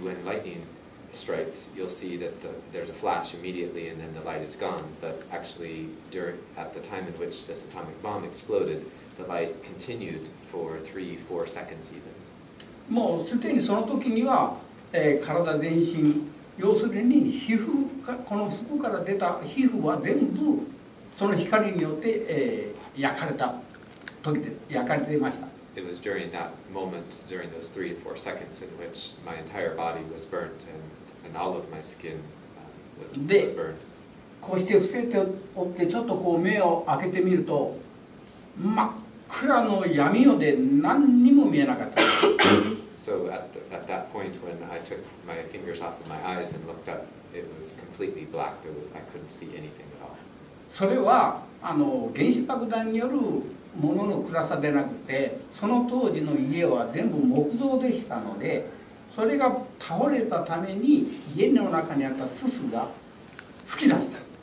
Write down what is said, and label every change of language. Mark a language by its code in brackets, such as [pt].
[en] when lightning strikes, you'll see that there's a flash immediately and then the light is gone. But actually, at the time in which this atomic bomb exploded, the light continued for 3-4 seconds even. [ja] もうすでにその時には、体全身、要するに皮膚か、この服から出た皮膚は全部その光によって、焼かれた時で、焼かれていました。 [en] It was during that moment, during those 3 to 4 seconds, in which my entire body was burnt and all of my skin was burned. [ja] こうして伏せておって、ちょっとこう目を開けてみると、真っ暗の闇夜で何にも見えなかった。 [en] So at that point when I took my fingers off of my eyes and looked up, it was completely black. I couldn't see anything at all. [ja] それはあの原子爆弾によるものの暗さでなくて、その当時の家は全部木造でしたので、それが倒れたために家の中にあったすすが吹き出した。